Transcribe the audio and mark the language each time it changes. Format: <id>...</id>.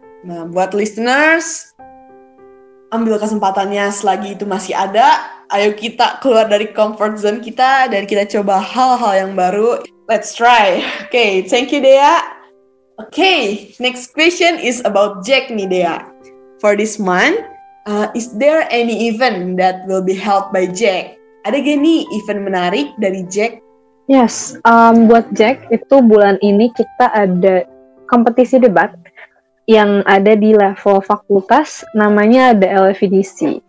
<id>Nah, buat listeners, ambil kesempatannya selagi itu masih ada. Ayo kita keluar dari comfort zone kita dan kita coba hal-hal yang baru.</id> <en>Let's try. Okay, thank you, Dea. Okay, next question is about Jack nih, Dea. For this month, is there any event that will be held by Jack?</en> <id>Ada gak nih event menarik dari Jack? Yes, buat Jack itu bulan ini kita ada kompetisi debat yang ada di level fakultas, namanya ada LFDC.</id>